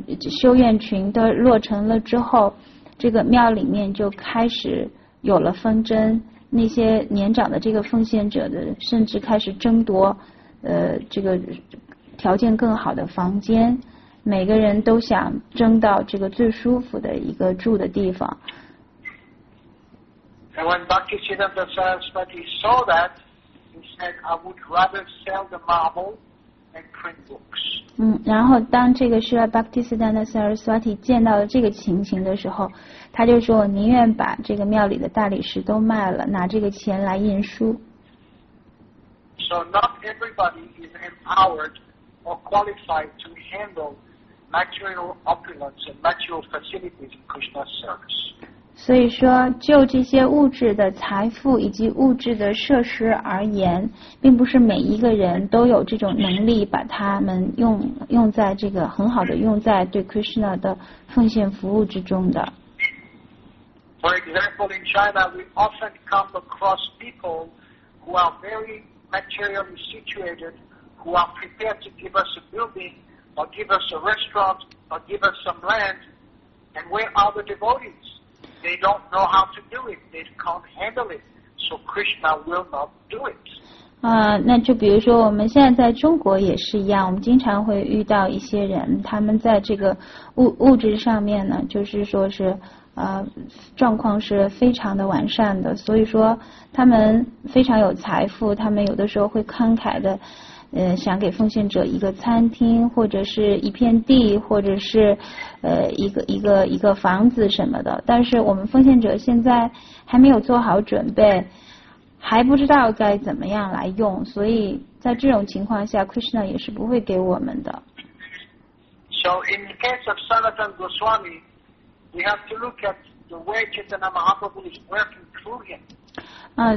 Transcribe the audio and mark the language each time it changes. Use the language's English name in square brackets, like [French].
[Chinese] 修院群的落成了之后，这个庙里面就开始有了纷争，那些年长的这个奉献者的甚至开始争夺这个条件更好的房间，每个人都想争到这个最舒服的一个住的地方。 [English] And when Bhaktisiddhanta Saraswati saw that, he said, I would rather sell the marble and print books. [Chinese] 然后当这个是拉巴克蒂斯丹的塞尔斯瓦提见到了这个情形的时候，他就说我宁愿把这个庙里的大理石都卖了，拿这个钱来印书。 [English] So not everybody is empowered or qualified to handle material opulence and material facilities in Krishna's service. [Chinese] 所以说就这些物质的财富以及物质的设施而言，并不是每一个人都有这种能力把它们用在这个很好的用在对 Krishna 的奉献服务之中的。 [English] For example, in China, we often come across people who are very materially situated, who are prepared to give us a building or give us a restaurant or give us some land, and where are the devotees? They don't know how to do it. They can't handle it. So Krishna will not do it. [Chinese] 那就比如说我们现在在中国也是一样，我们经常会遇到一些人，他们在这个物质上面呢，就是说是状况是非常的完善的，所以说他们非常有财富，他们有的时候会慷慨的。想给奉献者一个餐厅，或者是一片地，或者是一个房子什么的。但是我们奉献者现在还没有做好准备，还不知道该怎么样来用，所以在这种情况下 ，Krishna 也是不会给我们的。 [English] So in the case of Sanatan Goswami, we have to look at the way Chaitanya Mahaprabhu is working through him.